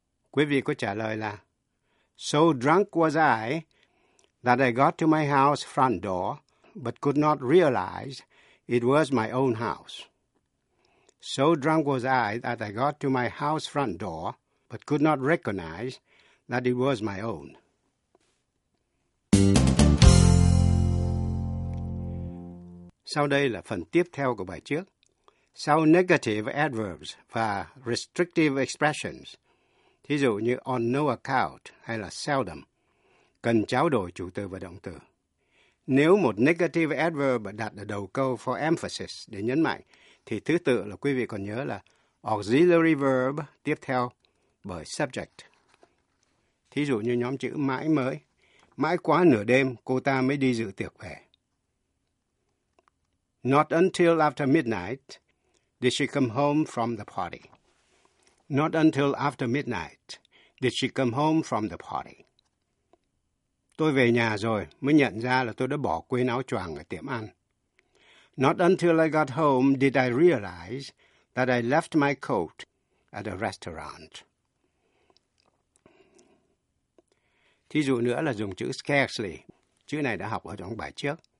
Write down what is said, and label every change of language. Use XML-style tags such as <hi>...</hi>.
<vi>Quý vị có trả lời là</vi> <en>so drunk was I that I got to my house front door but could not realize it was my own house. So drunk was I that I got to my house front door but could not recognize that it was my own.</en> <vi>Sau đây là phần tiếp theo của bài trước. Sau negative adverbs và restrictive expressions, thí dụ như on no account hay là seldom, cần trao đổi chủ từ và động từ. Nếu một negative adverb đặt ở đầu câu</vi> <en>for emphasis</en> <vi>để nhấn mạnh, thì thứ tự là quý vị còn nhớ là auxiliary verb tiếp theo bởi subject. Thí dụ như nhóm chữ mãi mới, mãi quá nửa đêm cô ta mới đi dự tiệc về.</vi> <en>Not until after midnight did she come home from the party. Not until after midnight did she come home from the party.</en> <vi>Tôi về nhà rồi mới nhận ra là tôi đã bỏ quên áo choàng ở tiệm ăn.</vi> <en>Not until I got home did I realize that I left my coat at a restaurant.</en> <vi>Thí dụ nữa là dùng chữ scarcely. Chữ này đã học ở trong bài trước.</vi>